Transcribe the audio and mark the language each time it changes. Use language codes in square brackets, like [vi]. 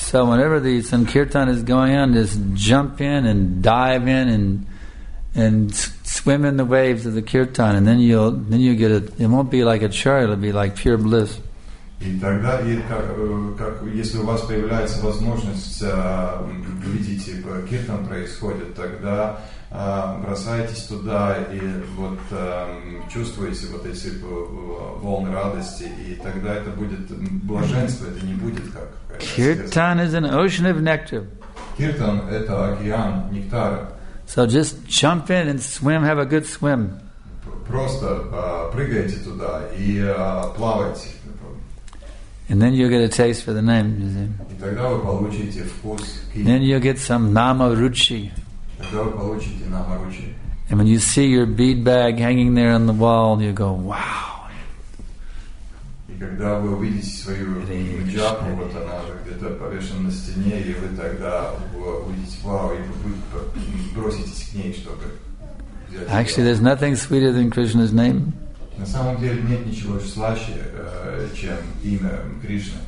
[en] So whenever the sankirtan is going on, just jump in and dive in and swim in the waves of the kirtan, and then you get it. It won't be like a chariot; it'll be like pure bliss. [ru] И тогда, и как если у вас появляется возможность видеть, как киртан происходит, тогда бросайтесь туда и вот чувствуете вот эти волны радости, и тогда это будет блаженство, это не будет как. [en] Kirtan is an ocean of nectar. [ru] Киртан это океан нектара. [en] So just jump in and swim, have a good swim. [ru] Просто прыгайте туда и плавайте. [en] And then you get a taste for the name, you see. [ru] И тогда вы получите вкус. [en] Then you get some nama ruchi. [ru] Тогда вы получите nama ruchi. [en] And when you see your bead bag hanging there on the wall, you go, wow. [ru] И когда вы увидите свою джапу, вот она где-то повешена на стене, и вы тогда увидите, вау, и вы броситесь к ней, чтобы взять. [en] Actually, there's nothing sweeter than Krishna's name. [ru] На самом деле нет ничего слаще, чем имя Кришны.